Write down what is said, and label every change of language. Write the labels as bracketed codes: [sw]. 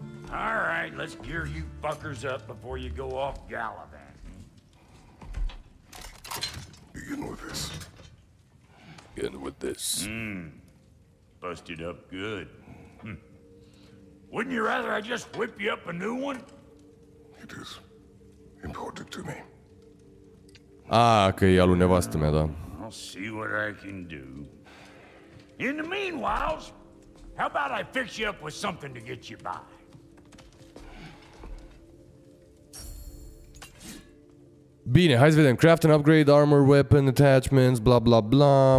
[en] All right, let's gear you fuckers up before you go off gallivanting. Begin with this. Begin with this. Mmm. Busted up good. Wouldn't you rather I just whip you up a new one? It is important to me. [ro] Ah, că e alu nevastă mea, da. [en] I'll see what I can do. In the meanwhile, how about I fix you up with something to get you by? [ro] Bine, hai să vedem. [en] Craft and upgrade armor, weapon, attachments, blah blah blah.